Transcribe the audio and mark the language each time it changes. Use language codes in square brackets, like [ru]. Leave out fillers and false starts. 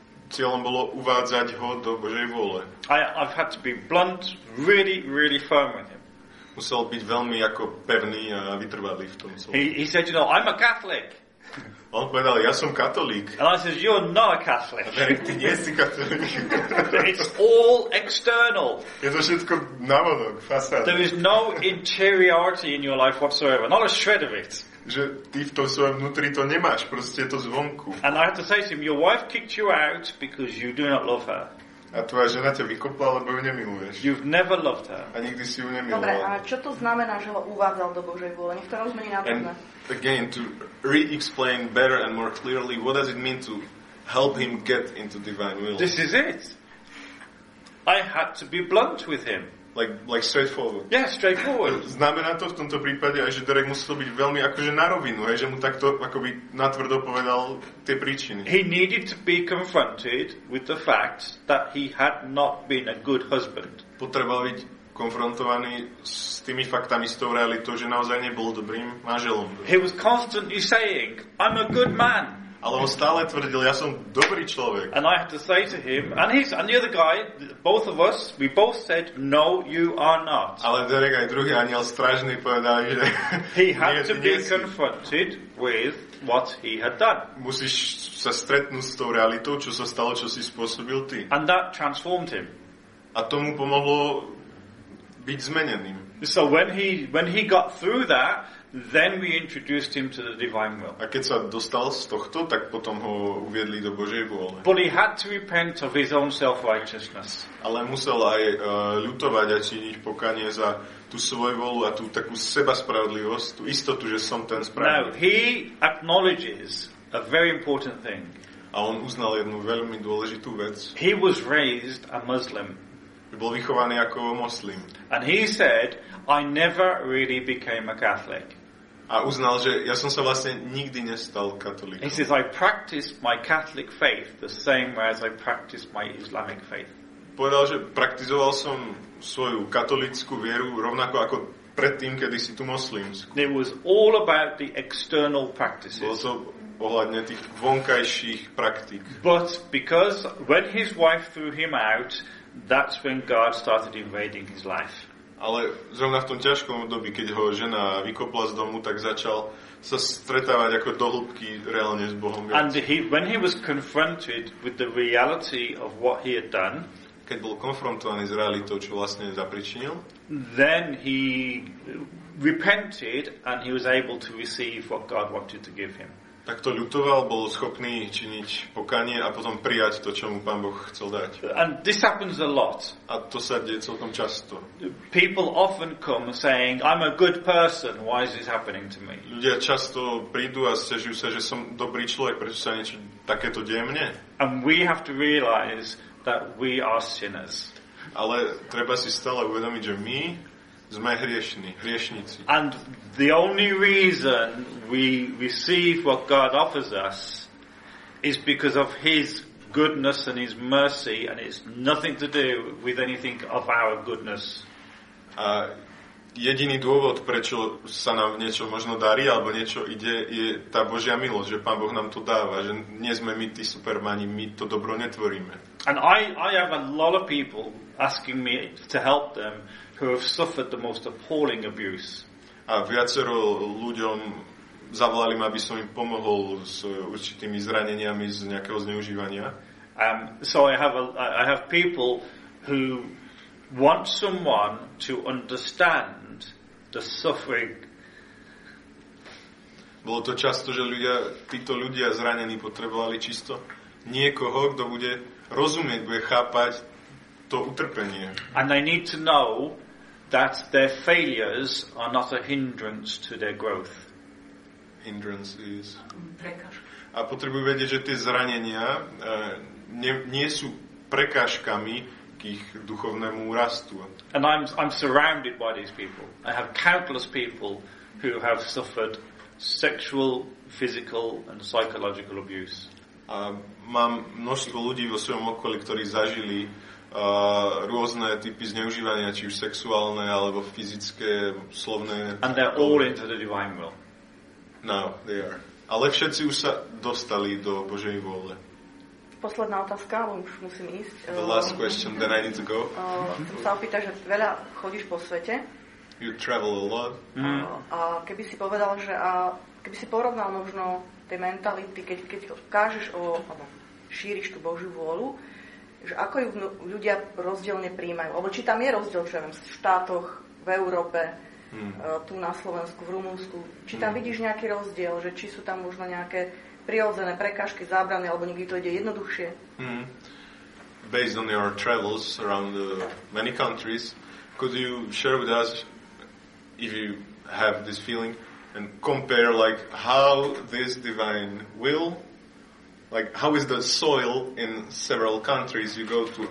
[sk] Cieľom bolo uvádzať ho do Božej vôle. [en] I've had to be blunt, really, really firm with him. [sk] Musel byť veľmi ako pevný a vytrvalý v tom. [en] He said, you know, I'm a Catholic. [sk] On povedal, ja som katolík. [en] And I said, you're not a Catholic. [sk] A Derek, ty nie si katolík. [en] It's all external. [sk] Je to všetko navonok, fasáda. [en] There is no interiority in your life whatsoever, not a shred of it. [sk] Že ty v tom svojom vnútri to nemáš, proste je to zvonku. [en] And I have to say to him, your wife kicked you out because you do not love her. [sk] A tvoja žena ťa vykopla, lebo ju nemiluješ. [en] You've never loved her. [sk] A nikdy si ju nemiloval. Dobre, a čo to znamená, že ho uvádzal do Božej vôle? Nech to rozmení nádherne. [en] Again, to re-explain better and more clearly, what does it mean to help him get into divine will? This is it. I had to be blunt with him. Like straightforward. Yeah, straightforward. [sk] Znamená to v tomto prípade aj, že Derek musel byť veľmi akože na rovinu, aj, že mu takto akoby natvrdo povedal tie príčiny. [en] He needed to be confronted with the fact that he had not been a good husband. [sk] Potreboval byť konfrontovaný s tými faktami, s tou realitou, že naozaj nebol dobrým manželom. [en] He was constantly saying, I'm a good man. [sk] Ale on stále tvrdil, ja som dobrý človek. [en] And I had to say to him, and the other guy, both of us, we both said, no, you are not. [sk] Ale Derek aj druhý aniel strážny povedali, že... [en] He had to be confronted with what he had done. [sk] Musíš sa stretnúť s tou realitou, čo sa stalo, čo si spôsobil ty. [en] And that transformed him. [sk] A to mu pomohlo byť zmeneným. [en] So when he got through that, then we introduced him to the divine will. [sk] A keď sa dostal z tohto, tak potom ho uviedli do Božej vôle. [en] But he had to repent of his own self-righteousness. [sk] Ale musel aj ľutovať a činiť pokanie za tú svoju vôľu a tú takú sebaspravodlivosť, tú istotu, že som ten spravodlivý. [en] Now, he acknowledges a very important thing. [sk] A on uznal jednu veľmi dôležitú vec. [en] He was raised a Muslim. [sk] Bol vychovaný ako moslim. [en] And he said, I never really became a Catholic. [sk] A uznal, že ja som sa vlastne nikdy nestal katolíkom. [en] He says, I practiced my Catholic faith the same way as I practiced my Islamic faith. [sk] Povedal, že praktizoval som svoju katolickú vieru rovnako ako predtým, kedy si tu moslimsku. [en] It was all about the external practices. [sk] Bolo to ohľadne tých vonkajších praktík. [en] But because when his wife threw him out, that's when God started invading his life. [sk] Ale zrovna v tom ťažkom období, keď ho žena vykopla z domu, tak začal sa stretávať ako do hĺbky reálne s Bohom. [en] And when he was confronted with the reality of what he had done, [sk] keď bol konfrontovaný s realitou, čo vlastne zapričinil, [en] then he repented and he was able to receive what God wanted to give him. [sk] Tak to ľutoval, bol schopný činiť pokanie a potom prijať to, čo mu Pán Boh chcel dať. [en] And this happens a lot. [sk] A to sa deje celkom často. [en] People often come saying, I'm a good person, why is this happening to me? [sk] Ľudia často prídu a stiažujú sa, že som dobrý človek, prečo sa niečo takéto deje mne? [en] And we have to realize that we are sinners. [sk] Ale treba si stále uvedomiť, že my sme hriešní, hriešnici. [en] And the only reason we receive what God offers us is because of his goodness and his mercy, and it's nothing to do with anything of our goodness. [sk] A jediný dôvod, prečo sa nám niečo možno darí alebo niečo ide, je tá Božia milosť, že Pán Boh nám to dáva, že nie sme my tí supermani, my to dobro netvoríme. [en] And I have a lot of people asking me to help them who have suffered the most appalling abuse. [sk] A viacero ľuďom zavolali ma, aby som im pomohol s určitými zraneniami z nejakého zneužívania. [en] So I have people who want someone to understand the suffering. [sk] Bolo to často, že ľudia, títo ľudia zranení potrebovali čisto niekoho, kto bude rozumieť, bude chápať to utrpenie. [en] And they need to know that their failures are not a hindrance to their growth. Hindrance is... [sk] Prekážka. A potrebujú vedieť, že tie zranenia nie sú prekážkami k ich duchovnému rastu. [en] And I'm surrounded by these people. I have countless people who have suffered sexual, physical and psychological abuse. [sk] A mám množstvo ľudí vo svojom okolí, ktorí zažili rôzne typy zneužívania, či už sexuálne alebo fyzické, slovné. [en] And they're all into the divine will. No, they are. [sk] Ale všetci už sa dostali do Božej vôle. Posledná otázka, bo už musím ísť. [en] The last question, then I need to go. [sk] Chcem sa opýtať, že veľa chodíš po svete. [en] You travel a lot. Mm. [sk] A keby si povedal, že a keby si porovnal možno tie mentality, keď kážeš alebo šíriš tú Božiu vôľu, že ako ju ľudia rozdielne prijímajú? Alebo či tam je rozdiel, čo ja viem, v štátoch, v Európe, tu na Slovensku, v Rumunsku. Či tam vidíš nejaký rozdiel, že či sú tam možno nejaké prirodzené prekážky, zábrany, alebo niekdy to ide jednoduchšie? Mm. [en] Based on your travels around many countries, could you share with us, if you have this feeling, and compare like how this divine will, like how is the soil in several countries you go to?